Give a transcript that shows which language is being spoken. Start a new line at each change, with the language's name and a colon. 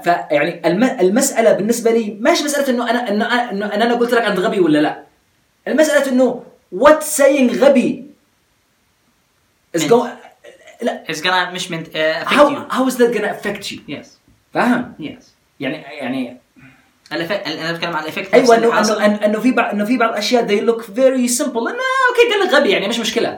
Arabic: يعني المسألة بالنسبة لي ماشي مسألة إنه أنا قلت لك أنت غبي ولا لا. المسألة إنه
English: what saying
Arabic: غبي
English: is gonna
Arabic: مش من
English: how is that gonna affect you? Yes.
Arabic: فاهم؟
English: Yes.
Arabic: يعني انا بتكلم على الايفكت ايوه انه في بعض الاشياء
English: they look very simple
Arabic: انه اوكي قال لك غبي يعني مش مشكله